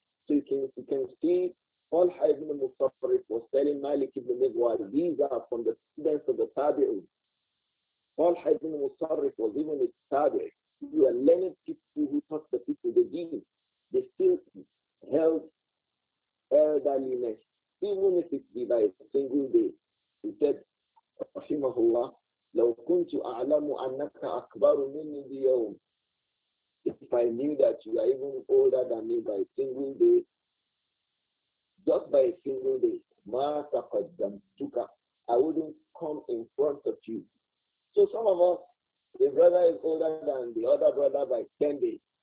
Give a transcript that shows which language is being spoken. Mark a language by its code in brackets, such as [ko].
[en] So you can see, all Ibn Mustafarif was telling Malik ibn Mughwal, these are from the students of the Tabi'un. All Ibn Musarrif was even a tabi. You are learning people who taught the people the deen. They still held elderliness, even if it be by a single day. He said, [ar] Rahimahullah, لو كنت أعلم أنك أكبر مني اليوم. [en] If I knew that you are even older than me by a single day, just by a single day, [ar] ما تقدمتك, [en] I wouldn't come in front of you. So some of us, a brother is older than the other brother by 10 days.